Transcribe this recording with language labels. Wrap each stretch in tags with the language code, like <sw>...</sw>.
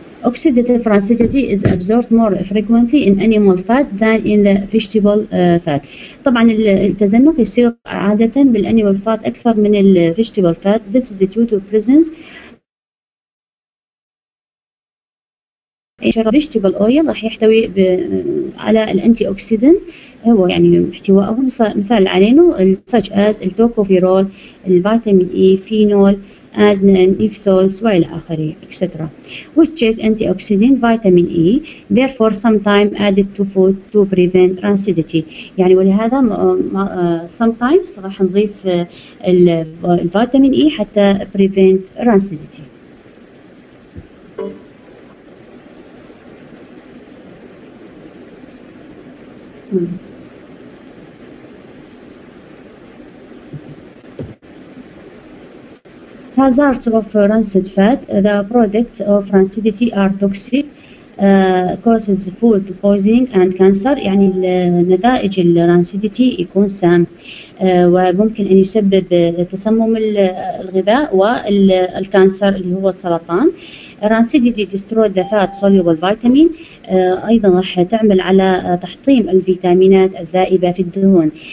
<en>Oxidative rancidity is absorbed more frequently in animal fat than in the vegetable fat.</en> <ar>طبعا التزنك يصير عادة بالانيمال فات اكثر من الفيجيتابل فات.</ar> <en>This is due to presence</en> <ar>فيجيتابل اويل راح يحتوي على الانتي اوكسيدنت هو يعني احتوائه مثال علينا such as التوكوفيرول الفيتامين اي فينول اد نيفثولز والى اخره اكسترا</ar> <en>which is antioxidant vitamin E therefore sometimes added to food to prevent rancidity</en> <ar>يعني ولهذا</ar> <en>sometimes</en> <ar>راح نضيف الفيتامين اي حتى</ar> <en>prevent rancidity. Hazards of rancid fat. The products of rancidity are toxic, causes food poisoning and cancer.</en> <ar>يعني نتائج الرانسيديتي يكون سام وممكن أن يسبب تسمم الغذاء والكانسر اللي هو السرطان.</ar> <en>Rancidity destroys the fat soluble vitamin.</en> <ar>أيضا راح تعمل على تحطيم الفيتامينات الذائبة في الدهون.</ar>